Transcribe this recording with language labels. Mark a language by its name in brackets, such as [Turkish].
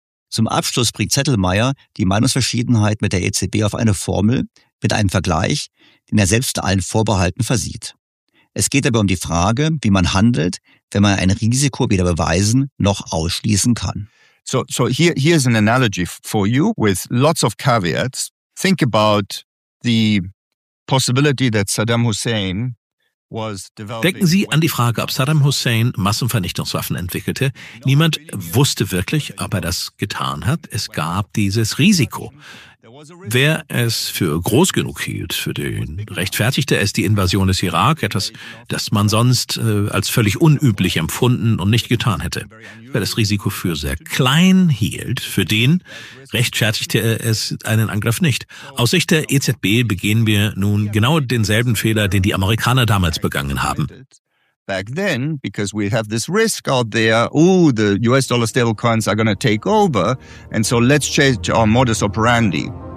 [German] Zum Abschluss bringt Zettelmeier die Meinungsverschiedenheit mit der EZB auf eine Formel mit einem Vergleich, den er selbst allen Vorbehalten versieht. Es geht dabei um die Frage, wie man handelt, wenn man ein Risiko weder beweisen noch ausschließen kann. [English] So here's an analogy for you with lots of caveats. Think about the possibility that Saddam Hussein was developing. [German] Denken Sie an die Frage, ob Saddam Hussein Massenvernichtungswaffen entwickelte. Niemand wusste wirklich, ob er das getan hat. Es gab dieses Risiko. Wer es für groß genug hielt, für den rechtfertigte es die Invasion des Irak, etwas, das man sonst als völlig unüblich empfunden und nicht getan hätte. Wer das Risiko für sehr klein hielt, für den rechtfertigte es einen Angriff nicht. Aus Sicht der EZB begehen wir nun genau denselben Fehler, den die Amerikaner damals begangen haben. [English] Back then, because we have this risk out there, the US dollar stable coins are going to take over, and so let's change our modus operandi.